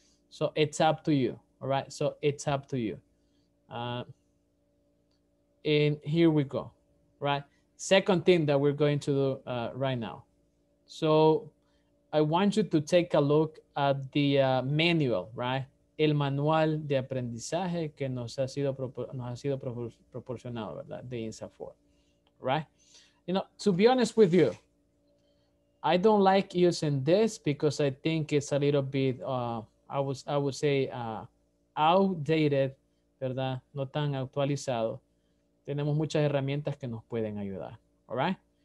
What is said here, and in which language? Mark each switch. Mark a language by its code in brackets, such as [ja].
[en] So it's up to you, all right? So it's up to you. And here we go, right? Second thing that we're going to do right now. So I want you to take a look at the manual, right? [es] El manual de aprendizaje que nos ha sido proporcionado, ¿verdad? De INSAFORP, right? [en] You know, to be honest with you, I don't like using this because I think it's a little bit, I would say, outdated, ¿verdad? [es] No tan actualizado. Tenemos muchas herramientas que nos pueden ayudar, all right?